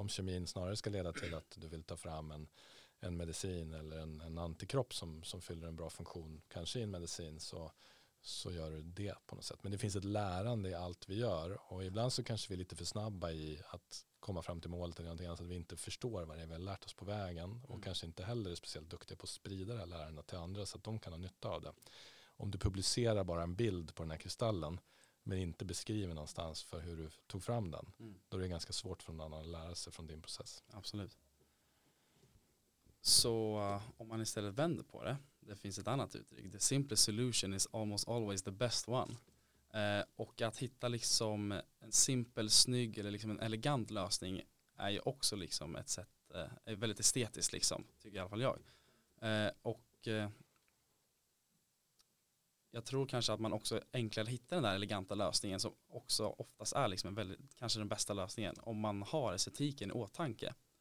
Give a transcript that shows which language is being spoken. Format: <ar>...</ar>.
<sv>Om kemin snarare ska leda till att du vill ta fram en medicin eller en antikropp som fyller en bra funktion, kanske i en medicin, så gör du det på något sätt. Men det finns ett lärande i allt vi gör, och ibland så kanske vi är lite för snabba i att komma fram till målet eller någonting annat, så att vi inte förstår vad det är vi har lärt oss på vägen, och kanske inte heller är speciellt duktiga på att sprida det här lärandet till andra så att de kan ha nytta av det. Om du publicerar bara en bild på den här kristallen men inte beskriver någonstans för hur du tog fram den, då är det ganska svårt för någon annan att lära sig från din process. Absolut. Så om man istället vänder på det, det finns ett annat uttryck.</sv> <en>The simplest solution is almost always the best one.</en> <sv>Och att hitta liksom en simpel, snygg eller liksom en elegant lösning är ju också liksom ett sätt, är väldigt estetiskt liksom, tycker i alla fall jag. Och jag tror kanske att man också enklare hittar den där eleganta lösningen, som också oftast är liksom en väldigt, kanske den bästa lösningen, om man har estetiken i åtanke.</sv>